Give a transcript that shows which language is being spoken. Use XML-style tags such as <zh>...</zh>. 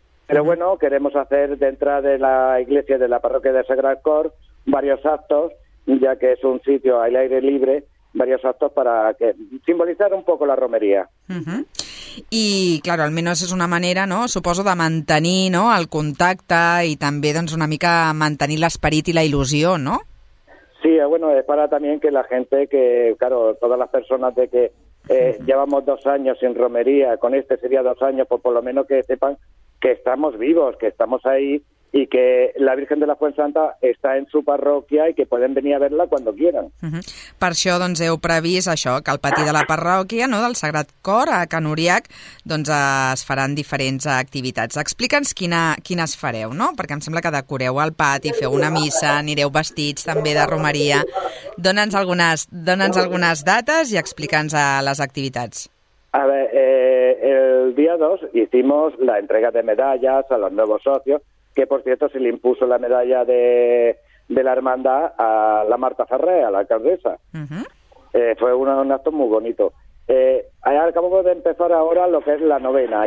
<es>Pero bueno, queremos hacer dentro de la iglesia de la parroquia de Sagrad Cor varios actos, ya que es un sitio al aire libre, varios actos para que simbolizar un poco la romería. Uh-huh. Y claro, al menos es una manera, ¿no?</es> <ca>Suposo de mantenir, ¿no? El contacte</ca> <es>y también</es> <ca>doncs, una mica mantenir l'esperit i la il·lusió, ¿no?</ca> <es>Sí, bueno, es para también que la gente que, claro, todas las personas de que llevamos 2 años sin romería, con este sería 2 años, pues por lo menos que sepan que estamos vivos, que estamos ahí y que la Virgen de la Fuensanta está en su parroquia y que pueden venir a verla cuando quieran. Uh-huh.</es> <ca>Per això doncs, heu previst això, que al patí de la parròquia, no, del Sagrat Cor, a Can Uriac, doncs, es faran diferents activitats. Explica'ns quines fareu, no? Perquè em sembla que decoreu el pati, feu una missa, anireu vestits també de romeria. Dona'ns algunes dates i explica'ns les activitats.</ca> <es>A ver, el día 2 hicimos la entrega de medallas a los nuevos socios, que por cierto se le impuso la medalla de la hermandad a la Marta Ferré, a la alcaldesa. Uh-huh. Fue un acto muy bonito. Acabamos de empezar ahora lo que es la novena.</es>